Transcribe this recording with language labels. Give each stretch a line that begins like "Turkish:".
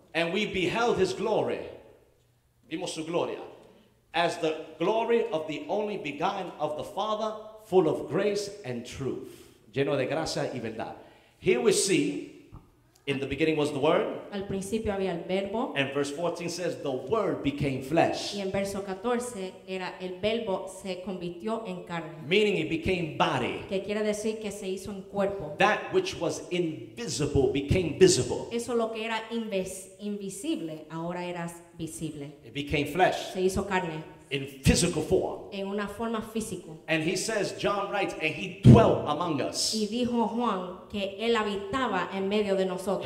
English: And we beheld his glory.
Spanish: Vimos su gloria.
English: As the glory of the only begotten of the Father, full of grace and truth.
Spanish: Lleno de gracia y verdad.
English: Here we see, in the beginning was the Word.
Spanish: Al principio había el verbo.
English: And verse 14 says, the Word became flesh.
Spanish: Y en verso 14 era el verbo se convirtió en carne.
English: Meaning it became body.
Spanish: Que quiere decir que se hizo en cuerpo.
English: That which was invisible became visible.
Spanish: Eso lo que era invisible ahora era visible.
English: It became flesh.
Spanish: Se hizo carne.
English: In physical form.
Spanish: En una forma físico.
English: And he says, John writes, and he dwelt among us.
Spanish: Y dijo Juan que él habitaba en medio de nosotros.